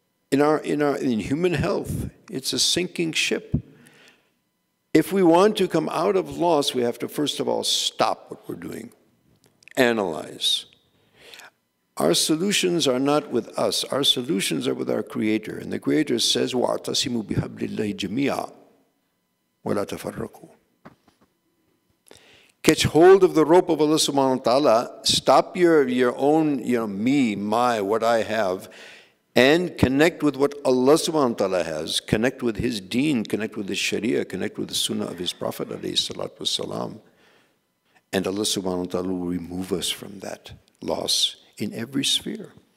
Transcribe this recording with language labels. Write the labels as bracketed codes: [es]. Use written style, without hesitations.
[en] In human health, it's a sinking ship. If we want to come out of loss, we have to first of all stop what we're doing, analyze. Our solutions are not with us. Our solutions are with our Creator. And the Creator says, [ar] وَاعْتَصِمُوا بِحَبْلِ اللَّهِ جَمِيعًا وَلَا تَفَرَّقُوا. [en] Catch hold of the rope of Allah subhanahu wa ta'ala. Stop your own, what I have. And connect with what Allah subhanahu wa ta'ala has. Connect with his deen. Connect with his sharia. Connect with the sunnah of his prophet alayhi salatu wasalam. And Allah subhanahu wa ta'ala will remove us from that loss in every sphere.